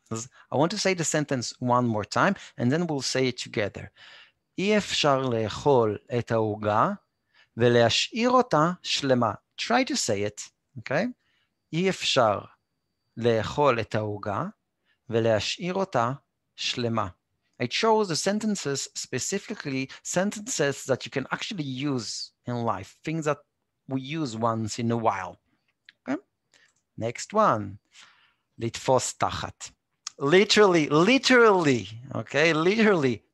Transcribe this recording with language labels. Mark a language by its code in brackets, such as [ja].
[en] I want to say the sentence one more time, and then we'll say it together. [he] אי אפשר לאכול את העוגה ולהשאיר אותה שלמה. [en] Try to say it, okay? [he] אי אפשר לאכול את העוגה ולהשאיר אותה שלמה. [en] I chose the sentences specifically, sentences that you can actually use in life, things that we use once in a while. Okay? Next one. [he] לתפוס תחת. [en] Literally, literally, okay? Literally.